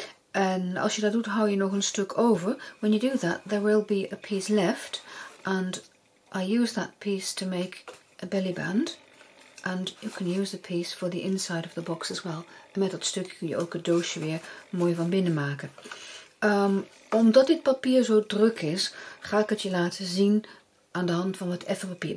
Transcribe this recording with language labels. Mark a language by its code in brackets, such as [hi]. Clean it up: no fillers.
[nl] En als je dat doet, hou je nog een stuk over. [en] When you do that, there will be a piece left. And I use that piece to make a belly band. And you can use the piece for the inside of the box as well. [nl] En met dat stukje kun je ook het doosje weer mooi van binnen maken. Omdat dit papier zo druk is, ga ik het je laten zien aan de hand van wat effen papier.